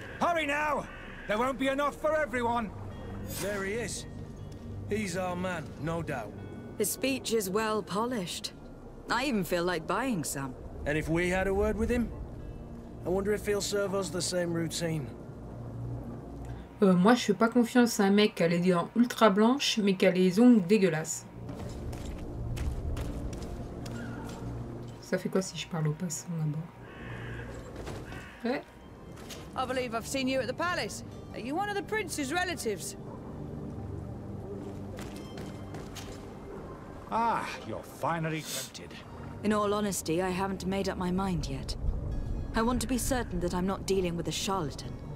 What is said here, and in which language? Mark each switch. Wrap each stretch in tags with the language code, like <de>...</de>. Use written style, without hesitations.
<en>Hurry now! There won't be enough for everyone. There he is. He's our man, no doubt. His speech is well polished. I even feel like buying some. And if we had a word with him? I wonder if he'll serve us the same routine.</en> <fr>Moi, je fais pas confiance à un mec qui a les dents ultra blanches, mais qui a les ongles dégueulasses. Ça fait quoi si je parle au passant d'abord? Ouais.</fr> <en>I believe I've seen you at the palace. Are you one of the prince's relatives? Ah, you're finally tempted. In all honesty, I haven't made up my mind yet. I want to be certain that I'm not dealing with a charlatan.</en>